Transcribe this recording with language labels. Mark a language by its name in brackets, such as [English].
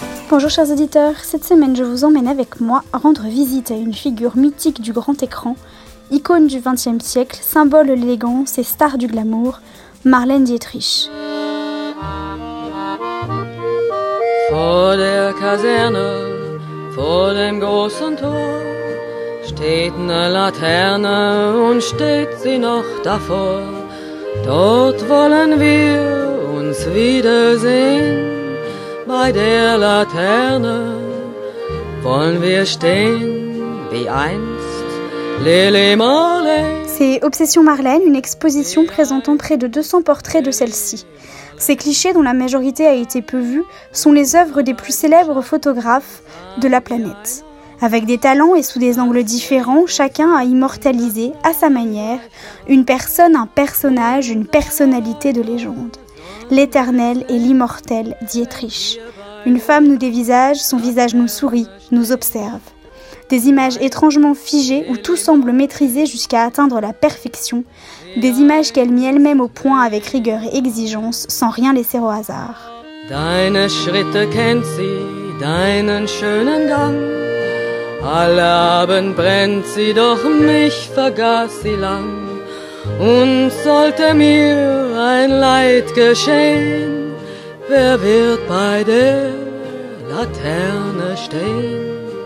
[French] Bonjour chers auditeurs, cette semaine je vous emmène avec moi rendre visite à une figure mythique du grand écran, icône du XXe siècle, symbole de l'élégance et star du glamour, Marlène Dietrich. [German] Vor der Kaserne, vor dem großen Tor, steht eine Laterne und steht sie noch davor. Dort wollen wir uns wiedersehen. Bei der Laterne wollen wir stehen wie einst Lili Marlène. [French] C'est Obsession Marlène, une exposition présentant près de 200 portraits de celle-ci. Ces clichés, dont la majorité a été peu vue, sont les œuvres des plus célèbres photographes de la planète. Avec des talents et sous des angles différents, chacun a immortalisé, à sa manière, une personne, un personnage, une personnalité de légende. L'éternel et l'immortel Dietrich. Une femme nous dévisage, son visage nous sourit, nous observe. Des images étrangement figées où tout semble maîtrisé jusqu'à atteindre la perfection, des images qu'elle mit elle-même au point avec rigueur et exigence, sans rien laisser au hasard. [German] Deine Schritte kennt sie, deinen schönen Gang. Alle Abend brennt sie, doch mich vergaß sie lang. Und sollte mir ein Leid geschehen, wer wird bei der Laterne stehen?